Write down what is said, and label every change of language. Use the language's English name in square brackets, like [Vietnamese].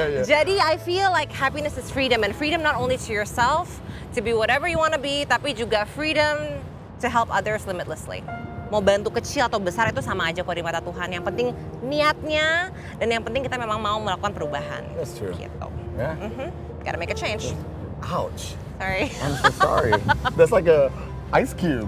[English] Jadi I feel like happiness is freedom, and freedom not only to yourself to be whatever you want to be, [Indonesian] tapi juga [English] freedom to help others limitlessly. [Indonesian] Mau bantu kecil atau besar itu sama aja kok di mata Tuhan. Yang penting niatnya, dan yang penting kita memang mau melakukan perubahan. [English] That's true. [Indonesian] Gitu. [English] Yeah. Mm-hmm. Gotta make a change. Ouch. Sorry. I'm so sorry. That's like a ice cube.